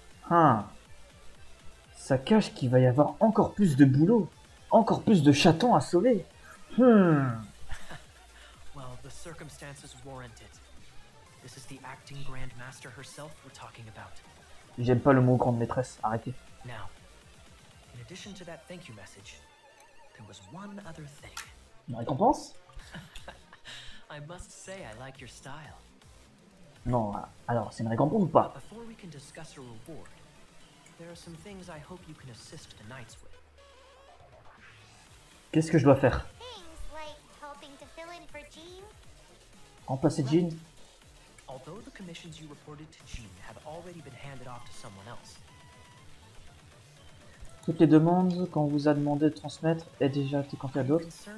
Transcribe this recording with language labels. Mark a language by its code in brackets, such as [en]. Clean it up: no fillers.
[fr] Hein. Ça cache qu'il va y avoir encore plus de boulot, encore plus de chatons à sauver. [en] Well, the circumstances warrant it. This is the acting grand master herself we're talking about. [fr] J'aime pas le mot grande maîtresse, arrêtez. [en] Now, in addition to that thank you message, there was one other thing. [fr] Une récompense? [en] I must say I like your style. [fr] Non, alors c'est une récompense ou pas? [en] But before we can discuss a reward, there are some things I hope you can assist the knights with. [fr] Qu'est-ce que je dois faire? [en] Things like helping to fill in for Jean. [fr] Remplacer Jean? [en] Although the commissions you reported to Jean have already been handed off to someone else. [fr] Toutes les demandes qu'on vous a demandé de transmettre est déjà été confiée à d'autres.